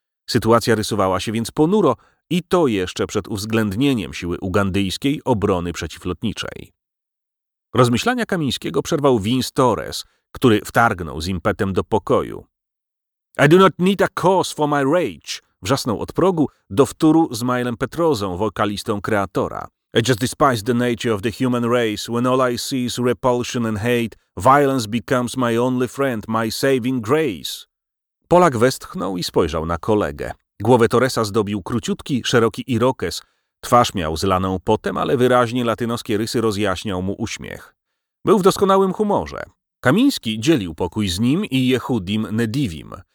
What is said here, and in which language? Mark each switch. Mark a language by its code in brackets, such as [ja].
[pl] Sytuacja rysowała się więc ponuro i to jeszcze przed uwzględnieniem siły ugandyjskiej obrony przeciwlotniczej. Rozmyślania Kamińskiego przerwał Vince Torres, który wtargnął z impetem do pokoju. [en] I do not need a cause for my rage, [pl] wrzasnął od progu do wtóru z Milem Petrozą, wokalistą Kreatora. [en] I just despise the nature of the human race. When all I see is repulsion and hate, violence becomes my only friend, my saving grace. [pl] Polak westchnął i spojrzał na kolegę. Głowę Torresa zdobił króciutki, szeroki irokes. Twarz miał zlaną potem, ale wyraźnie latynoskie rysy rozjaśniał mu uśmiech. Był w doskonałym humorze. Kamiński dzielił pokój z nim i Yehudim Nedivim.